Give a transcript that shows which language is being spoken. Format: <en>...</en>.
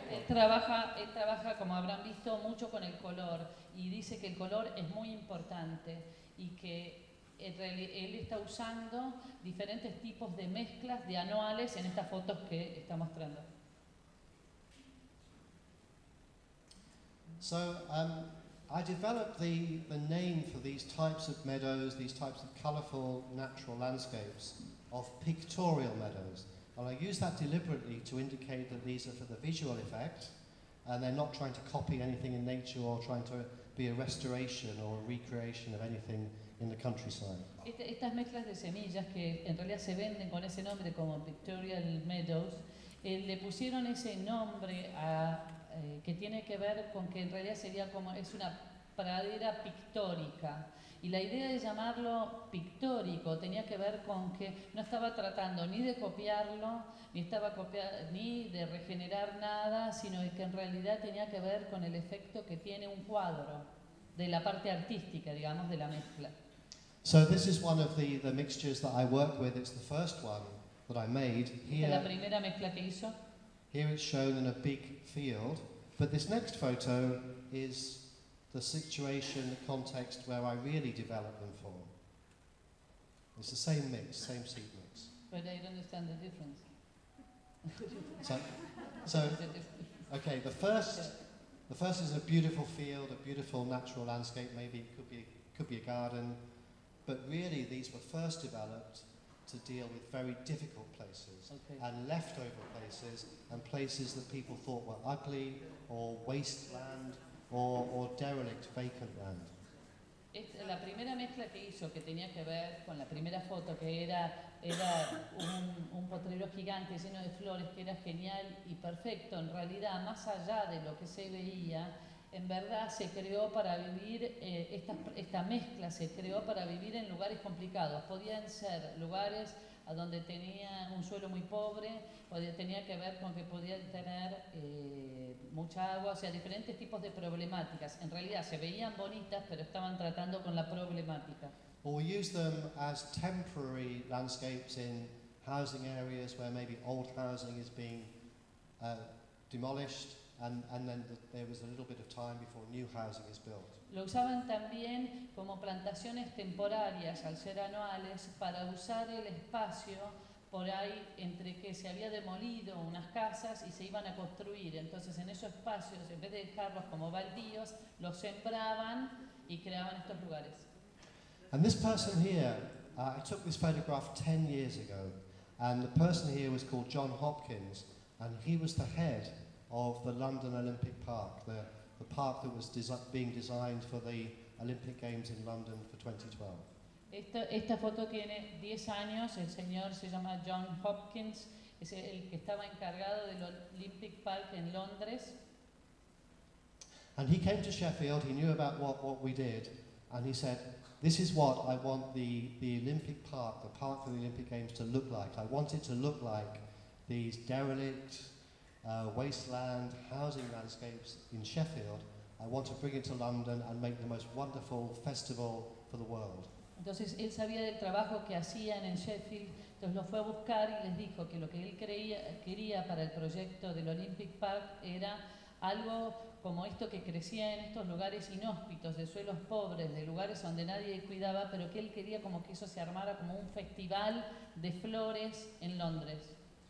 <es>Trabaja, como habrán visto, mucho con el color, y dice que el color es muy importante y que él está usando diferentes tipos de mezclas de anuales en estas fotos que está mostrando.</es> <en>So I developed the name for these types of meadows, these types of colorful natural landscapes, of pictorial meadows. And I use that deliberately to indicate that these are for the visual effect, and they're not trying to copy anything in nature or trying to be a restoration or a recreation of anything in the countryside.</en> <es>Estas mezclas de semillas que en realidad se venden con ese nombre como pictorial meadows, le pusieron ese nombre a, que tiene que ver con que en realidad sería como, es una pradera pictórica. Y la idea de llamarlo pictórico tenía que ver con que no estaba tratando ni de copiarlo, ni de regenerar nada, sino que en realidad tenía que ver con el efecto que tiene un cuadro de la parte artística, digamos, de la mezcla.</es> <en>So this is one of the mixtures that I work with. It's the first one that I made here.</en> <es>¿Es la primera mezcla que hizo?</es> <en>Here it's shown in a big field, but this next photo is the situation, the context where I really develop them for. It's the same mix, same seed mix. But I don't understand the difference. So, okay, the first is a beautiful field, a beautiful natural landscape, maybe it could be a garden. But really, these were first developed to deal with very difficult places, okay, and leftover places, and places that people thought were ugly or wasteland. Or derelict, vacant land.</en> <es>Esta es la primera mezcla que hizo, que tenía que ver con la primera foto, que era un potrero gigante lleno de flores, que era genial y perfecto. En realidad, más allá de lo que se veía, en verdad se creó para vivir, esta mezcla se creó para vivir en lugares complicados. Podían ser lugares a donde tenía un suelo muy pobre, tenía que ver con que podía tener mucha agua, o sea, diferentes tipos de problemáticas. En realidad se veían bonitas, pero estaban tratando con la problemática.</es> <en>Or we use them as temporary landscapes in housing areas where maybe old housing is being demolished, and then there was a little bit of time before new housing is built.</en> <es>Lo usaban también como plantaciones temporarias, al ser anuales, para usar el espacio por ahí entre que se había demolido unas casas y se iban a construir. Entonces, en esos espacios, en vez de dejarlos como baldíos, los sembraban y creaban estos lugares.</es> <en>And this person here, I took this photograph 10 years ago, and the person here was called John Hopkins, and he was the head of the London Olympic Park, the park that was being designed for the Olympic Games in London for 2012.</en> <es>Esta foto tiene 10 años, el señor se llama John Hopkins, es el que estaba encargado del Olympic Park en Londres.</es> <en>And he came to Sheffield, he knew about what we did, and he said, this is what I want the Olympic Park, the park for the Olympic Games to look like. I want it to look like these derelict, wasteland housing landscapes in Sheffield. I want to bring it to London and make the most wonderful festival for the world.</en> <es>Entonces él sabía del trabajo que hacían en Sheffield, entonces lo fue a buscar y les dijo que lo que él quería para el proyecto del Olympic Park era algo como esto que crecía en estos lugares inhóspitos, de suelos pobres, de lugares donde nadie cuidaba, pero que él quería como que eso se armara como un festival de flores en Londres.</es>